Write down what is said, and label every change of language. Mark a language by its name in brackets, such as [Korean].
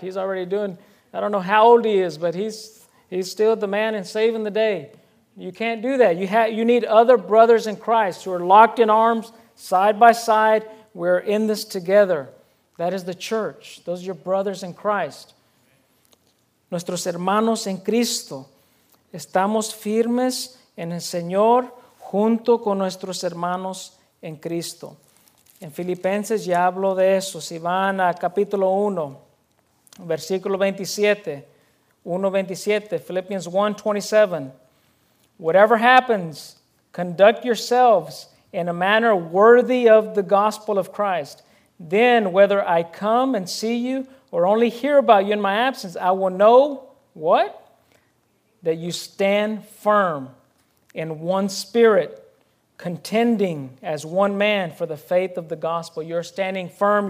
[English] He's already doing, I don't know how old he is, but he's still the man and saving the day. You can't do that. You need other brothers in Christ who are locked in arms, side by side. We're in this together. That is the church. Those are your brothers in Christ. [Spanish] Nuestros hermanos en Cristo. Estamos firmes en el Señor junto con nuestros hermanos en Cristo. En Filipenses ya hablo de eso. Si van a capítulo 1, versículo 27. [English] 1:27, Philippians 1:27. Whatever happens, conduct yourselves in a manner worthy of the gospel of Christ. Then, whether I come and see you or only hear about you in my absence, I will know, what? That you stand firm in one spirit, contending as one man for the faith of the gospel. You're standing firm.